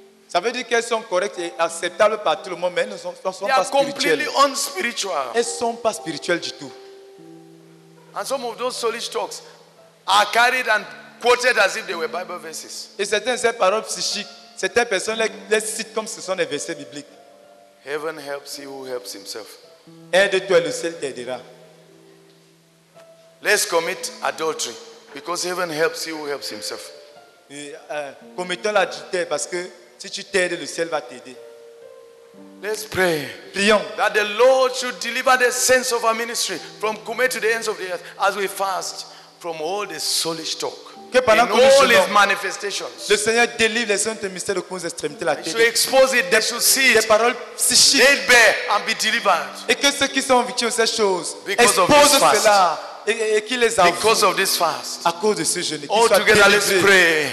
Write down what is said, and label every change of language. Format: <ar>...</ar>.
<fr>Ça veut dire qu'elles sont correctes et acceptables par tout le monde, mais elles ne sont, elles sont pas spirituelles.</fr> <en>They are completely unspiritual.</en> <fr>Elles ne sont pas spirituelles du tout.</fr> <en>And some of those soulish talks are carried and quoted as if they were Bible verses.</en> <fr>Et certaines ces paroles psychiques, certaines personnes les citent comme si ce sont des versets bibliques.</fr> <en>Heaven helps he who helps himself.</en> <fr>Aide-toi, le ciel t'aidera.</fr> <en>Let's commit adultery because heaven helps he who helps himself.</en> <fr>Commettons l'adultère parce que si tu t'aides, le ciel va t'aider.</fr> <en>Let's pray.</en> <fr>Prions.</fr> <en>That the Lord should deliver the saints of our ministry from Kume to the ends of the earth as we fast from all the soulish talk.</en> <fr>Que pendant</fr> <en>in all his manifestations.</en> <fr>Le Seigneur délivre les saints de mystère de cause extrémité la terre.</fr> <en>Should expose it, they should see it.</en> <fr>Des paroles psychiques.</fr> <en>Laid bare and be delivered.</en> <fr>Et que ceux qui sont victimes de ces choses exposent cela. Et qu'ils les avouent.</fr> <en>Because of this fast.</en> <fr>À cause de ce jeûne.</fr> <en>All together, let's pray.</en>